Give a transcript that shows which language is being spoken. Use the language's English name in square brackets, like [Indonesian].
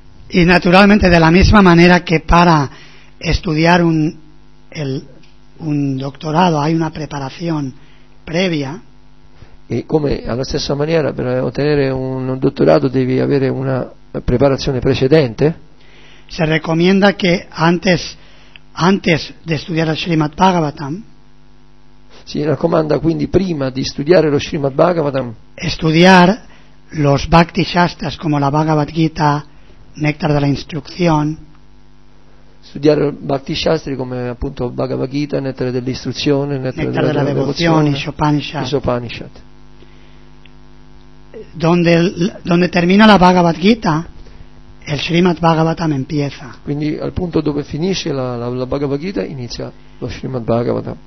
[Spanish] Y naturalmente de la misma manera que para estudiar un doctorado hay una preparación previa. [Italian] E come alla stessa maniera per ottenere un dottorato devi avere una preparazione precedente. [Spanish] Se recomienda que antes de estudiar el Srimad Bhagavatam. [Italian] Si raccomanda quindi prima di studiare lo Srimad Bhagavatam. [Spanish] Estudiar los Bhakti Shastras como la Bhagavad Gita, Nectar de la Instrucción. [Italian] Studiare Bhakti Shastri come appunto Bhagavad Gita, Nettare dell'Istruzione, Nettare della Devozione, Upanishad. [Spanish] Donde termina la Bhagavad Gita, el Srimad Bhagavatam empieza. [Italian] Quindi al punto dove finisce la Bhagavad Gita inizia lo Srimad Bhagavatam.